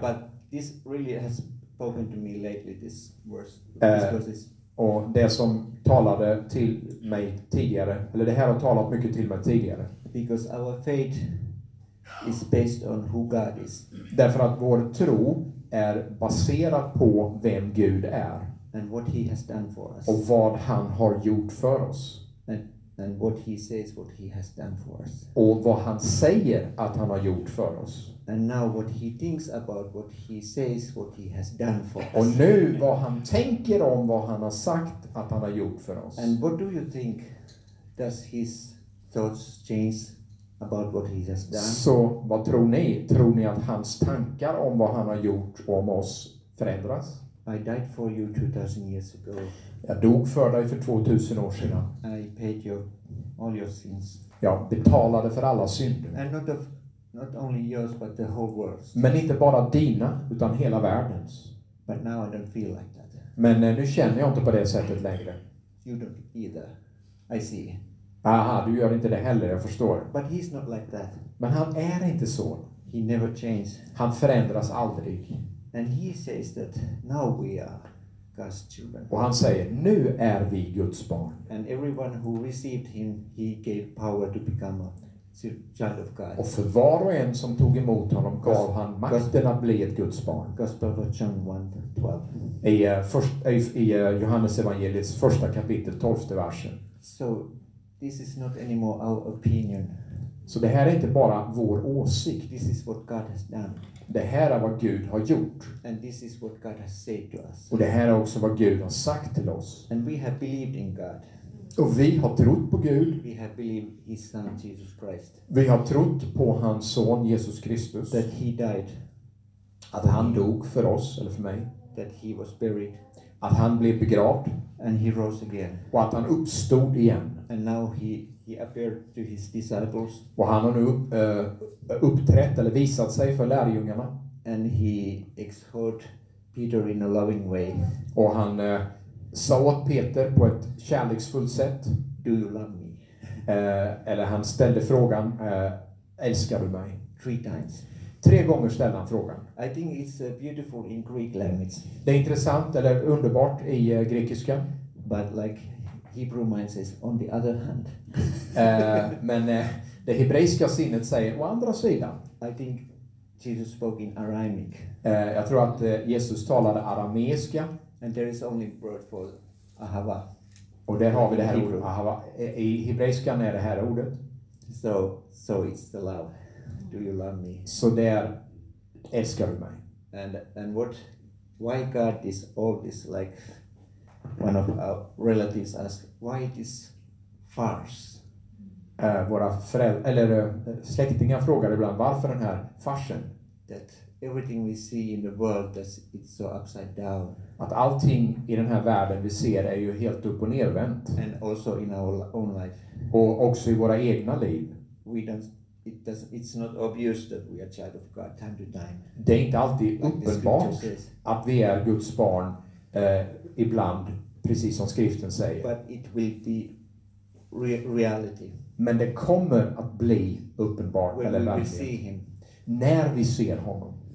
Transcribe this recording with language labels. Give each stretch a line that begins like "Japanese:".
English: But this really has spoken to me lately, this verse.
Swedish: Och det som talade till mig tidigare, eller det här har talat mycket till mig tidigare.
English: Because our faith is based on who God is.
Swedish: Därför att vår tro är baserad på vem Gud är.
English: And what he has done for us.
Swedish: Och vad han har gjort för oss.
English: And what he says what he has done for us.
Swedish: Och vad han säger att han har gjort för oss.
English: And now what he thinks about what he says what he has done for us.
Swedish: Och nu vad han tänker om vad han har sagt att han har gjort för oss.
English: And what do you think does his thoughts change about what he has done?
Swedish: Så vad tror ni? Tror ni att hans tankar om vad han har gjort om oss förändras?
English: I died for you 2000 years ago.
Swedish: Jag dog för dig för 2000 år sedan.
English: I paid you all your sins.
Swedish: Jag betalade för alla synder.
English: And not only yours but the whole world.
Swedish: Men inte bara dina utan hela världens.
English: But now I don't feel like that.
Swedish: Men nu känner jag inte på det sättet längre.
English: You don't either. I see.
Swedish: Aha, du gör inte det heller, jag förstår.
English: But he's not like that.
Swedish: Men han är inte så.
English: He never changes.
Swedish: Han förändras aldrig.
English: And he says that now we are God's children.
Swedish: Och han säger, nu är vi Guds barn.
English: And everyone who received him, he gave power to become a child of God.
Swedish: Och för var och en som tog emot honom gav han makten att bli ett Guds barn.
English: Gospel of John 1:12.
Swedish: I Johannes evangeliets första kapitel, 12:e versen.
English: So this is not anymore our opinion.
Swedish: Så det här är inte bara vår åsikt.
English: This is what God has done.
Swedish: Det här är vad Gud har gjort.
English: And this is what God has said to us.
Swedish: Och det här är också vad Gud har sagt till oss.
English: And we have believed in God.
Swedish: Och vi har trott på Gud.
English: We have believed his son Jesus Christ.
Swedish: Vi har trott på hans son Jesus Kristus.
English: That he died.
Swedish: Att han dog för oss eller för mig.
English: That he was buried.
Swedish: Att han blev begravd.
English: And he rose again.
Swedish: Och att han uppstod igen.
English: And now he appeared to his disciples.
Swedish: Och han har nu uppträtt eller visat sig för lärjungarna.
English: And he exhorted Peter in a loving way.
Swedish: Och han sa åt Peter på ett kärleksfullt sätt.
English: Do you love me?
Swedish: Eller han ställde frågan, älskar du mig?
English: Three times.
Swedish: Tre gånger ställde han frågan.
English: I think it's beautiful in Greek language.
Swedish: Det är intressant eller underbart i grekiska.
English: But like Hebrew mind says, on the other hand.
Swedish: men det hebreiska sinnet säger, å andra sidan.
English: I think Jesus spoke in Aramaic.
Swedish: Jag tror att Jesus talade arameiska.
English: And there is only word for ahava.
Swedish: Och där har vi det här ordet ahava. I hebreiska är det här ordet.
English: So it's the love. Do you love me?
Swedish: Så där älskar du mig.
English: And what? Why God is all this, like one of our relatives asked, why it is farce?
Swedish: Våra föräldrar eller släktingar frågar ibland varför den här farsen.
English: That everything we see in the world is it's so upside down.
Swedish: Att allting i den här världen vi ser är ju helt upp och nervänt.
English: And also in our own life.
Swedish: Och också i våra egna liv.
English: It's not obvious that we are child of God time to time.
Swedish: Det är inte alltid uppenbart att vi är Guds barn ibland, precis som skriften säger.
English: But it will be reality.
Swedish: Men det kommer att bli uppenbart
English: when
Swedish: eller verkligen.
English: We see him.
Swedish: När vi ser honom.